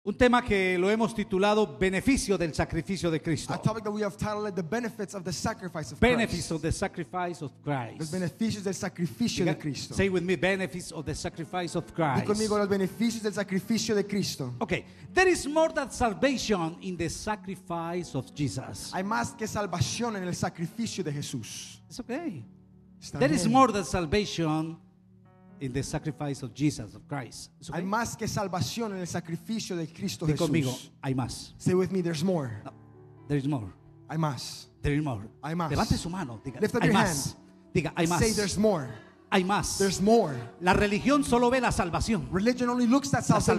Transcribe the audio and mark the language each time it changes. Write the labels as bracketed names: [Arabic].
[Spanish] Un tema que lo hemos titulado Beneficio del Sacrificio de Cristo. [English] A topic that we have titled The Benefits of the Sacrifice of Christ. [Spanish] Beneficio del Sacrificio de Cristo. Los beneficios del sacrificio de Cristo. [English] Say with me, Benefits of the Sacrifice of Christ. [Spanish] Dí conmigo los beneficios del sacrificio de Cristo. [English] Okay, there is more than salvation in the sacrifice of Jesus. [Spanish] Hay más que salvación en el sacrificio de Jesús. [English] It's okay. There is more than salvation in the sacrifice of Jesus of Christ. Okay? [Spanish] Hay más que salvación en el sacrificio de Cristo Jesús. Dí conmigo, hay más. [English] Say with me, there's more. No, there is more. [Spanish] Hay más. [English] There is more. [Spanish] Hay más. Levante su mano. Diga, [English] lift up [Spanish] hay [English] your [Spanish] más. [English] Hand. [Spanish] Diga, hay más. [English] Say there's more. [Spanish] Hay más. [English] There's more. [Spanish] La religión solo ve la salvación. [English] Religion only looks at salvation.